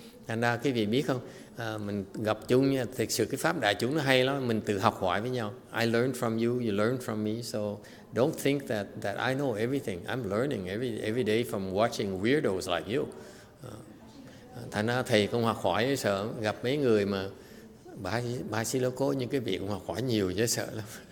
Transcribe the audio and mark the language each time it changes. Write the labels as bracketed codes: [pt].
[vi] Thành ra quý vị biết không? Mình gặp chúng nha, thực sự cái pháp đại chúng nó hay lắm. Mình tự học hỏi với nhau. [en] I learn from you, you learn from me. So don't think that I know everything. I'm learning every day from watching weirdos like you. [vi] Thành ra thầy cũng học hỏi dễ sợ. Gặp mấy người mà bà xin lỗi cô, nhưng cái việc cũng học hỏi nhiều dễ sợ lắm.